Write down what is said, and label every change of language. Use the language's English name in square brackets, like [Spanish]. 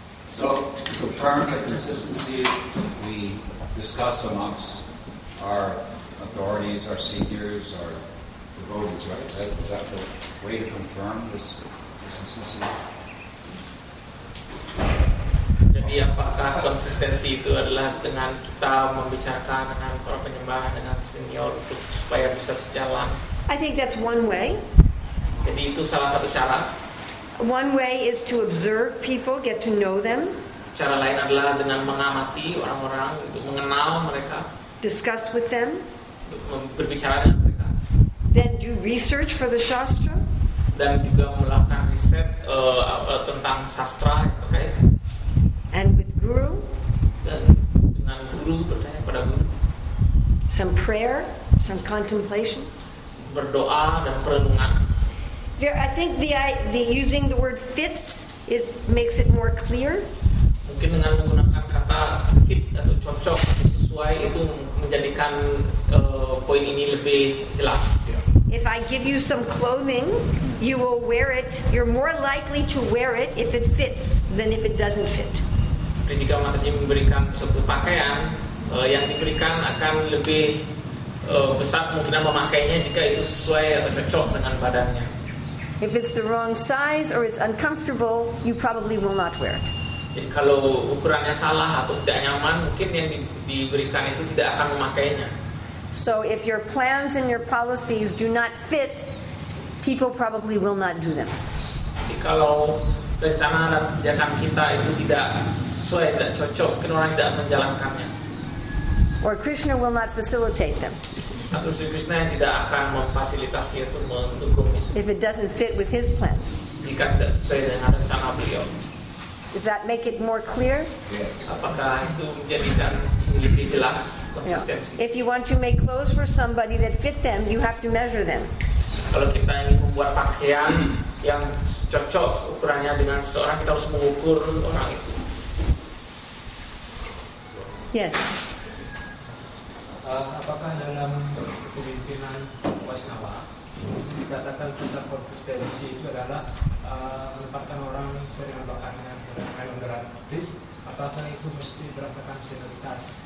[English] So the term of consistency we discuss amongst our authorities, our seniors, our devotees, right? Is that the way to confirm this consistency? [Indonesian] Jadi apakah konsistensi itu adalah dengan kita membicarakan dengan para penyembah, dengan senior untuk supaya bisa sejalan? [English] I think that's one way. [Indonesian] Jadi itu salah satu cara. [English] One way is to observe people, get to know them. [Indonesian] Cara lain adalah dengan mengamati orang-orang, untuk mengenal mereka. [English] Discuss with them. [Indonesian] Berbicara dengan mereka. [English] Then do research for the shastra. [Indonesian] Dan juga melakukan riset tentang sastra, okay? [English] And with guru. [Indonesian] Dan dengan guru, bertanya kepada guru. [English] Some prayer, some contemplation. [Indonesian] Berdoa dan perenungan. [English] There, I think the using the word fits is makes it more clear. [Indonesian] Mungkin dengan menggunakan kata fit atau cocok atau sesuai itu menjadikan poin ini lebih jelas. [English] If I give you some clothing, you will wear it. You're more likely to wear it if it fits than if it doesn't fit. [Indonesian] Jadi jika Mataji memberikan suatu pakaian, yang diberikan akan lebih besar kemungkinan memakainya jika itu sesuai atau cocok dengan badannya. [English] If it's the wrong size or it's uncomfortable, you probably will not wear it. [Indonesian] Jadi kalau ukurannya salah atau tidak nyaman, mungkin yang diberikan itu tidak akan memakainya. [English] So if your plans and your policies do not fit, people probably will not do them. [Indonesian] Jadi kalau rencana dan kebijakan kita itu tidak sesuai dan cocok, mungkin orang tidak menjalankannya. [English] Or Krishna will not facilitate them. [Indonesian] Atau Sri Krishna yang tidak akan memfasilitasi atau mendukungnya. [English] If it doesn't fit with his plans. [Indonesian] Jika tidak sesuai dengan rencana beliau. [English] Does that make it more clear? Yes. [Indonesian] Apakah itu menjadikan ini lebih jelas konsistensi? [English] Yeah. If you want to make clothes for somebody that fit them, you have to measure them. [Indonesian] Kalau kita ingin membuat pakaian yang cocok ukurannya dengan seorang, kita harus mengukur orang itu. [English] Yes. [Indonesian] Apakah dalam kepemimpinan Wasnawa dikatakan kita konsistensi itu adalah menempatkan orang sesuai dengan bakatnya dengan gratis, apakah itu mesti berdasarkan senioritas?